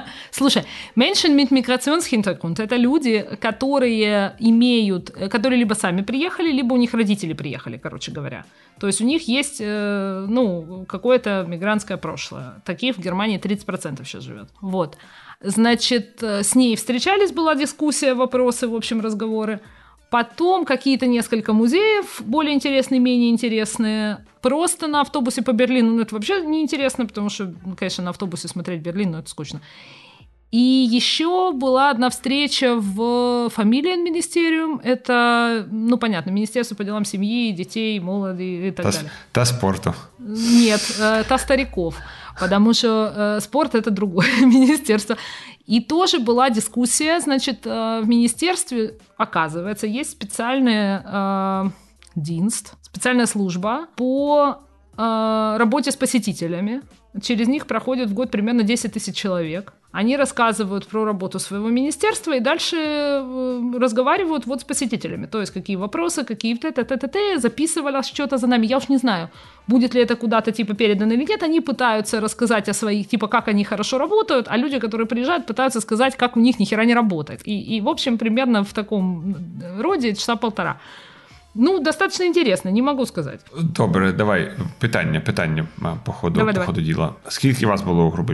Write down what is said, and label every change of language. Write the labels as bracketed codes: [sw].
[ru] Слушай, [de] Menschen mit Migrationshintergrund [ru] – это люди, которые либо сами приехали, либо у них родители приехали, короче говоря. То есть у них есть, ну, какое-то мигрантское прошлое. Таких в Германии 30% сейчас живет. Вот. Значит, с ней встречались, была дискуссия, вопросы, в общем, разговоры. Потом какие-то несколько музеев, более интересные, менее интересные. Просто на автобусе по Берлину, ну, это вообще неинтересно, потому что, конечно, на автобусе смотреть Берлин, ну, это скучно. И еще была одна встреча в Familienministerium. Это, ну, понятно, Министерство по делам семьи, детей, молодых и так далее. Та спорту. Нет, та стариков. Потому что спорт – это другое министерство. И тоже была дискуссия. Значит, в министерстве, оказывается, есть специальный динст, специальная служба по работе с посетителями. Через них проходит в год примерно 10 тысяч человек. Они рассказывают про работу своего министерства и дальше разговаривают вот с посетителями. То есть какие вопросы, какие т.т. записывалось что-то за нами. Я уж не знаю, будет ли это куда-то типа передано или нет. Они пытаются рассказать о своих, типа как они хорошо работают, а люди, которые приезжают, пытаются сказать, как у них нихера не работает. И в общем, примерно в таком роде часа полтора. Ну, достаточно интересно, не могу сказати. [uk] Добре, давай, питання по ходу діла. Скільки вас було у групи?